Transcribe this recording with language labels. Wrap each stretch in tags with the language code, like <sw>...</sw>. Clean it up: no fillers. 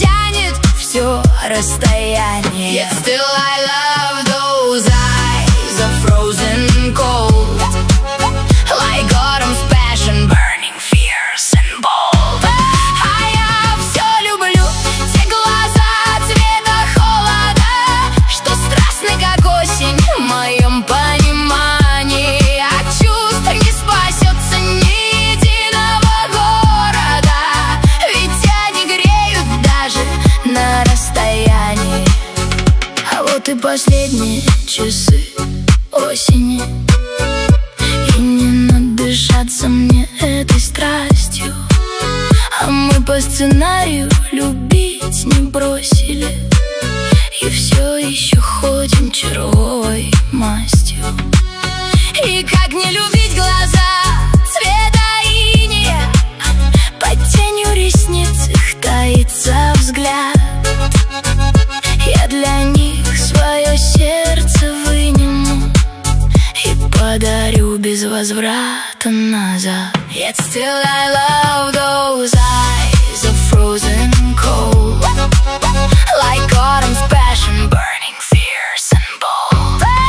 <en>Yet still I love those eyes of frozen cold, like autumn's passion burning fierce and bold.</en> <ru>А я все люблю те глаза цвета холода, что страстны, как осень, в моем понимании. От чувств не спасется ни единого города, ведь они греют даже на расстоянии. Вот и последние часы осени, и не надышаться мне этой страстью. А мы по сценарию любить не бросили, и все еще ходим червовой мастью. И как не любить глаза цвета иния, под тенью ресниц их таится взгляд. Я для них свое сердце выниму и подарю без возврата назад.</ru> <en>Yet still I love those eyes of frozen cold, like autumn's passion burning fierce and bold.</en>